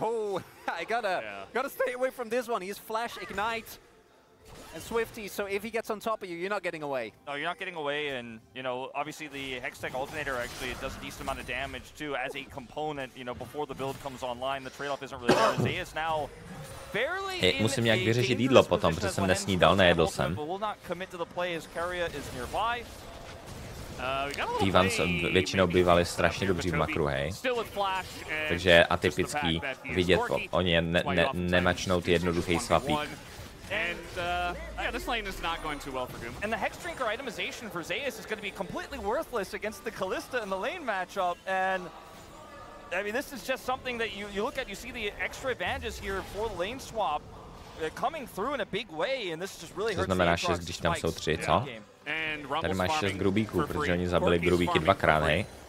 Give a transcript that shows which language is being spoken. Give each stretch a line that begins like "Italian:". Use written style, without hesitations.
English: Oh, I gotta stay away from this one. He's flash ignite and Swifty. So if he gets on top of you, you're not getting away. No, you're not getting away. And you know, obviously, the Hextech alternator actually does a decent amount of damage too as a component. You know, before the build comes online, the trade-off isn't really there. Zay is now.
Czech: Hey, musím nějak vyřešit jídlo potom, protože jsem nesnídal, nejedl jsem.
English: But we'll not commit to the play as Karia is nearby.
Czech: T1 většinou bývali strašně dobří v makru, hej. Takže je atypický vidět, oni nemačnout jednoduchý swapík.
English: Yeah, this lane is not going too well for Goom. And the Hexdrinker itemization for Zayas is going to be completely worthless against the Kalista in the lane matchup, and... I mean, this is just something that you look at, you see the extra advantages here for the lane swap coming through in a big way, and this just really hurts Aatrox's spikes.
Czech: Když tam jsou tři, co? Tady máš 6 grubíků, protože oni zabili grubíky dvakrát, hej.